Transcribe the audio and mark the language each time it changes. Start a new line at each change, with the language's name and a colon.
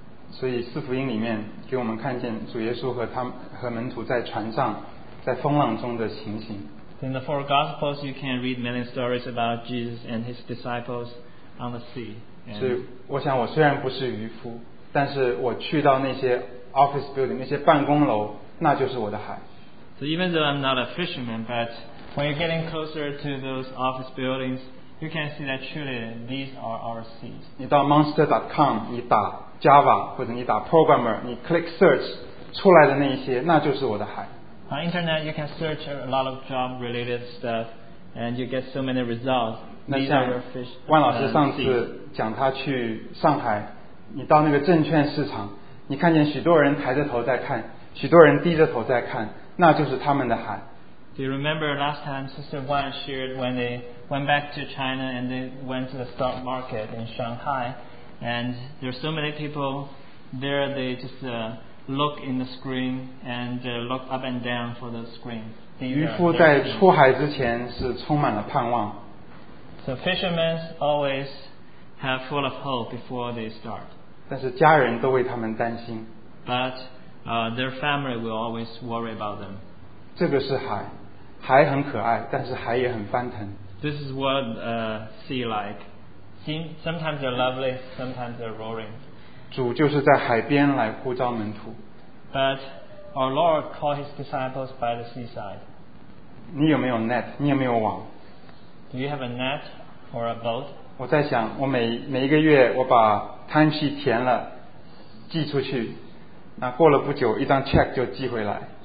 Chinese: 所以四福音里面给我们看见主耶稣和他和门徒在船上在风浪中的情形。
English: In the four Gospels, you can read many stories about Jesus and his disciples on the sea.
Chinese: 所以我想我虽然不是渔夫，但是我去到那些
English: office building,
Chinese: 那些办公楼，那就是我的海。
English: So even though I'm not a fisherman, but when you're getting closer to those office buildings, you can see that truly these are our seas.
Chinese: 你到 monster.com, 你打Java 或者你打 programmer 你
English: click search
Chinese: 出来的那一些那就是我的海。
English: On internet you can search a lot of job related stuff and you get so many results.
Chinese: 那像万老师上次讲他去上海，你到那个证券市场，你看见许多人抬着头在看，许多人低着头在看，那就是他们的海。
English: Do you remember last time Sister Wan shared when they went back to China and they went to the stock market in Shanghai? And there are so many people there, they just look in the screen and look up and down for the screen.
Chinese: 渔夫在出海之前是充满了盼望。
English: So fishermen always have full of hope before they start.
Chinese: 但是家人都为他们担心。
English: But their family will always worry about them.
Chinese: 这个是海，海很可爱，但是海也很翻腾。
English: This is what sea like. Sometimes they're lovely, sometimes they're roaring.
Chinese: 主就是在海边来呼召门徒。
English: But our Lord called his disciples by the seaside.
Chinese: 你有没有 net? 你有没有网?
English: Do you have a net or a boat?
Chinese: 我在想，我每一个月我把
English: time sheet
Chinese: 填了，寄出去，那过了不久，一张 check 就寄回来。